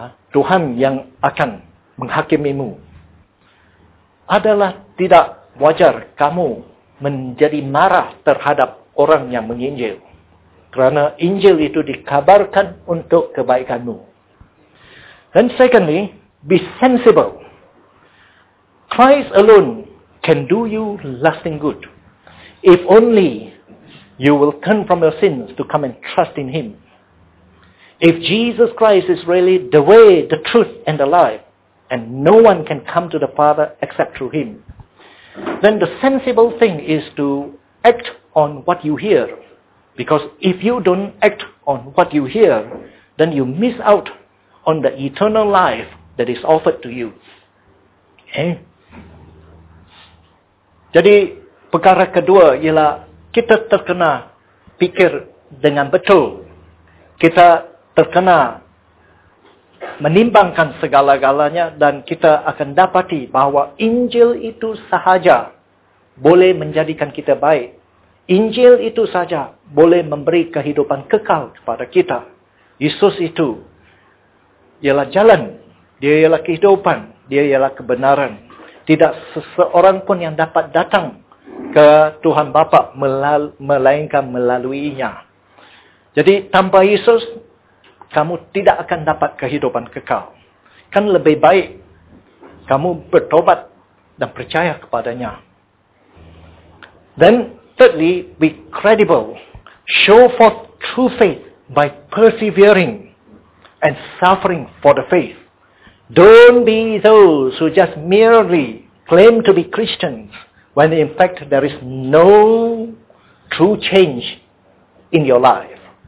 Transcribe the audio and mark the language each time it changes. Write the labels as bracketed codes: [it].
[ms] Tuhan yang akan menghakimimu. Adalah tidak wajar kamu menjadi marah terhadap orang yang menginjil. Kerana Injil itu dikabarkan untuk kebaikanmu. [en] Then secondly, be sensible. Christ alone can do you lasting good. If only you will turn from your sins to come and trust in Him. If Jesus Christ is really the way, the truth, and the life, and no one can come to the Father except through Him, then the sensible thing is to act on what you hear. Because if you don't act on what you hear, then you miss out on the eternal life that is offered to you. Okay? [ms] Jadi, perkara kedua ialah kita terkena pikir dengan betul. Kita terkena menimbangkan segala-galanya dan kita akan dapati bahwa Injil itu sahaja boleh menjadikan kita baik. Injil itu saja boleh memberi kehidupan kekal kepada kita. Yesus itu ialah jalan, dia ialah kehidupan, dia ialah kebenaran. Tidak seseorang pun yang dapat datang ke Tuhan Bapa melainkan melaluinya. Jadi tanpa Yesus, kamu tidak akan dapat kehidupan kekal. Kan lebih baik kamu bertobat dan percaya kepadanya. [en] Then thirdly, be credible. Show forth true faith by persevering and suffering for the faith. Don't be those who just merely claim to be Christians when in fact there is no true change in your life.